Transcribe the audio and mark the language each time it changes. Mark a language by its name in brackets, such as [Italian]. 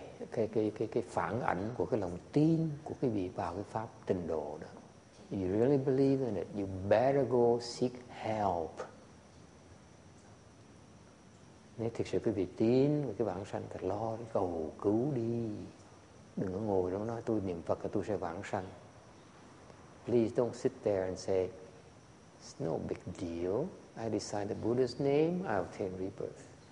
[Vietnamese] cái phản ảnh của cái lòng tin của cái vị vào cái pháp tịnh độ đó. [English] You really believe in it, you better go seek help. [Vietnamese] Nếu thực sự quý vị tin về cái vãng sanh thì lo cầu cứu đi. Đừng có ngồi đó nói tôi niệm Phật là tôi sẽ vãng sanh. [English] Please don't sit there and say, it's no big deal. I decide the Buddha's name, I obtain rebirth.